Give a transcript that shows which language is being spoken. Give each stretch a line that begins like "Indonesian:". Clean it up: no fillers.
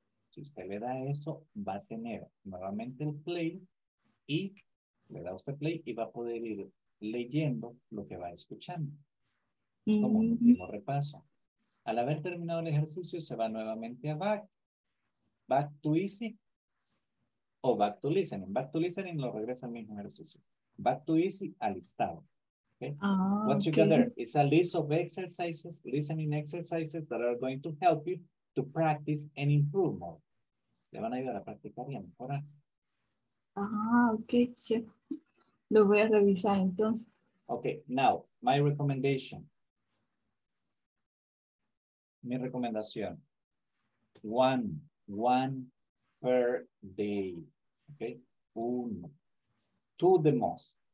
Spanish: Si usted le da eso, va a tener nuevamente el play y le da usted play y va a poder ir leyendo lo que va escuchando. Mm-hmm. Como un último repaso. Al haber terminado el ejercicio, se va nuevamente a back.
English: Back to easy o back to listening. Back to listening
Spanish: lo regresa al mismo ejercicio.
English: Back to easy
Spanish: al estado.
English: Okay? Oh, what okay. You got there is a list of exercises, listening exercises that are going to help you to practice and improve more.
Spanish: Le van a ayudar a practicar y a mejorar. Ah, ok. Lo voy a revisar entonces.
English: Ok, now, my recommendation.
Spanish: Mi recomendación.
English: One per day, okay? Uno. Two the most.